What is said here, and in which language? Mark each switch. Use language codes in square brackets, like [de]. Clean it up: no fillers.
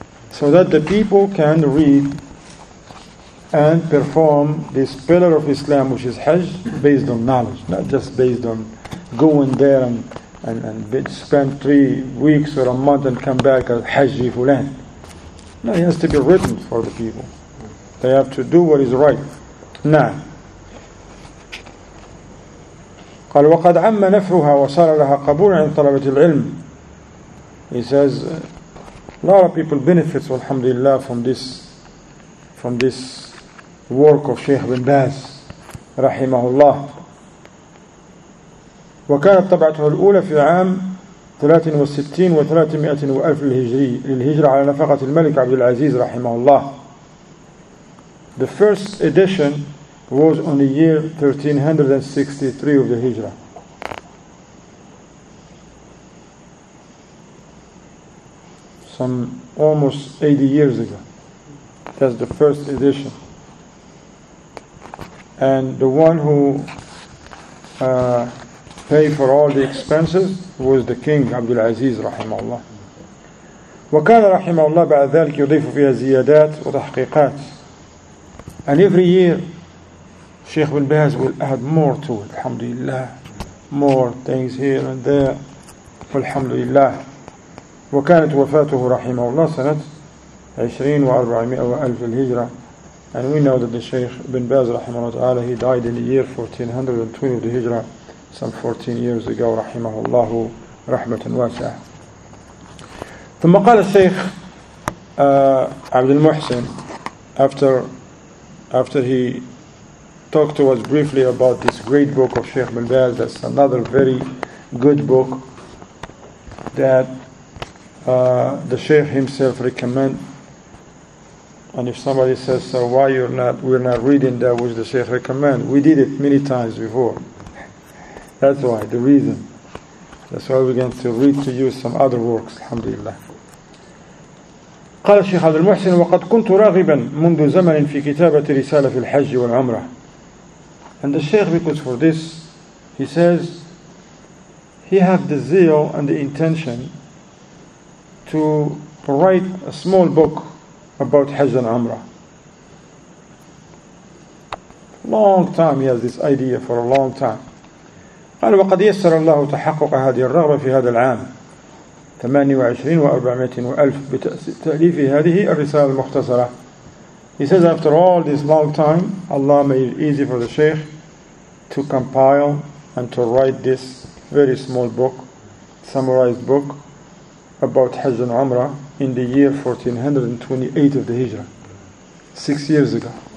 [en] So that the people can read and perform this pillar of Islam, which is Hajj, based on knowledge, not just based on going there and spend 3 weeks or a month and come back as Hajji Fulan. No, it has to be written for the people. They have to do what is right. Now, [ar] قال وقد عم نفعها وصار لها قبول عند طلبة العلم. [en] He says, a lot of people benefits, alhamdulillah, from this work of Sheikh bin Baz, rahimahullah. [ar] وكانت طبعته الأولى في عام 63 و300 ألف للهجري للهجرة على نفقة الملك عبد العزيز رحمه الله. [en] The first edition was on the year 1363 of the هجرة. Some almost 80 years ago. That's the first edition. And the one who pay for all the expenses was the king Abdul Aziz rahimahullah. [ar] وكان رحمه الله بعد ذلك يضيف فيها زيادات وتحقيقات. [en] And every year Sheikh bin Baz will add more to it, alhamdulillah, more things here and there, alhamdulillah. [ar] وكانت وفاته رحمه الله سنة 2400 الهجرة. [en] And we know that the Sheikh bin Baz rahimahullah ta'ala, he died in the year 1420 of the Hijrah, some 14 years ago, rahimahullahu [ar] رحمة واسعة. ثم قال الشيخ عبد المحسن [en] after he talked to us briefly about this great book of Sheikh bin Baz, that's another very good book that the Sheikh himself recommend. And if somebody says, so why we're not reading that which the Sheikh recommend? We did it many times before. That's why, the reason. That's why we're going to read to you some other works, alhamdulillah. [ar] قال الشيخ عبد المحسن وقد كنت راغبا منذ زمن في كتابة رسالة في الحج والعمرة. [en] And the Sheikh, because for this, he says, he had the zeal and the intention to write a small book about Hajj and Umrah. Long time he has this idea, for a long time. [ar] قال وقد يسر الله تحقق هذه الرغبة في هذا العام 28,400 بتأليف هذه الرسالة المختصرة. [en] He says after all this long time, Allah made it easy for the Shaykh to compile and to write this very small book, summarized book, about Hajj and Umrah in the year 1428 of the Hijrah, 6 years ago.